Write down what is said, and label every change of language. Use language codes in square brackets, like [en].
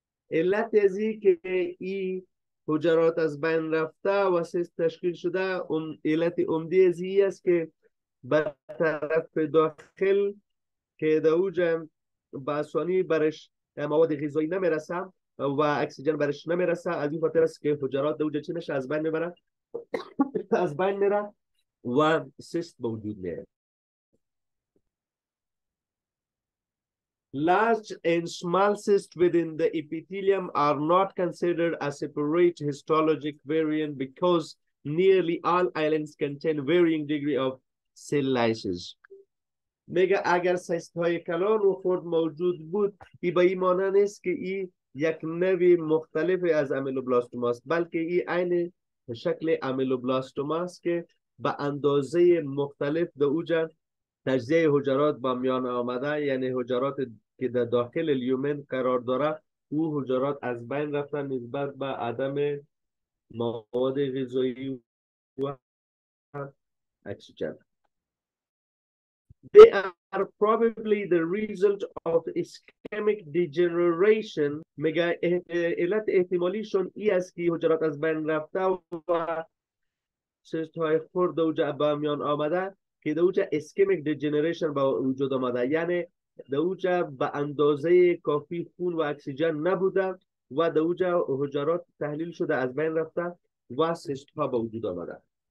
[fa] علت از این که ای حجرات از بین رفته و سیست تشکیل شده، علت عمده از این است که به طرف داخل که در اوج به آسانی برش مواد غذایی نمیرسه و اکسیژن برش نمیرسه، از این خاطر است که حجرات در اوج چی میشه؟ از بین میبره از بین میره و سیست موجود میره. [en] Large and small cysts within the epithelium are not considered a separate histologic variant because nearly all islands contain varying degree of cell lysis. [fa] میگه اگر سیست های کلان و خرد موجود بود، ای به این معنی نیست که ای یک نوع مختلف از امیلوبلاستوما است، بلکه ای عین شکل امیلوبلاستوما است که به اندازه مختلف در اوج تجزیه حجرات با میان آمده، یعنی حجرات که در داخل لیومن قرار داره او حجرات از بین رفتن نسبت به عدم مواد غذایی و اکسیژن. [en] They are probably the result of ischemic degeneration. [fa] میگه علت احتمالیشون ای است که حجرات از بین رفته و سیست های خرد و جعبه میان آمده که در اوجا اسکمیک دیجنریشن با وجود آمده، یعنی در اوجا به اندازه کافی خون و اکسیژن نبوده و در اوجا حجرات تحلیل شده از بین رفته و سیست ها با وجود آمده.